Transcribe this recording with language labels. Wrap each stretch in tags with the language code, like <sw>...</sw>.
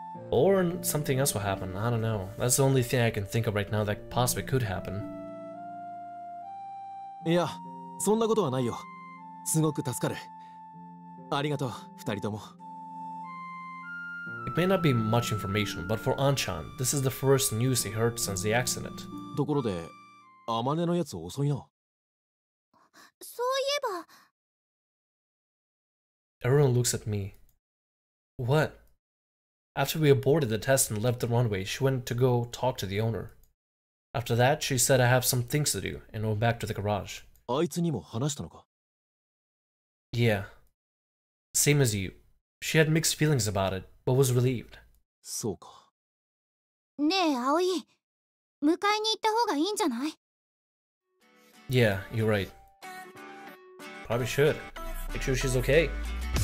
<en>Or something else will happen, I don't know. That's the only thing I can think of right now that possibly could happen.</en> <ja>Yeah, そんなことはないよ。すごく助かる。ありがとう、二人とも。</ja> <en>It may not be much information, but for An-chan, this is the first news he heard since the accident.</en> <ja>ところで、アマネのやつ遅いな。そういえば。</ja> <en>Everyone looks at me. What? After we aborted the test and left the runway, she went to go talk to the owner. After that, she said I have some things to do and went back to the garage.</en> <ja>あいつにも話したのか?</ja> <en>Yeah. Same as you. She had mixed feelings about it, but was relieved.</en> <ja>そうか。ねえ、葵。迎えに行った方がいいんじゃない?</ja> <en>Yeah, you're right. Probably should. Make sure she's okay.</en>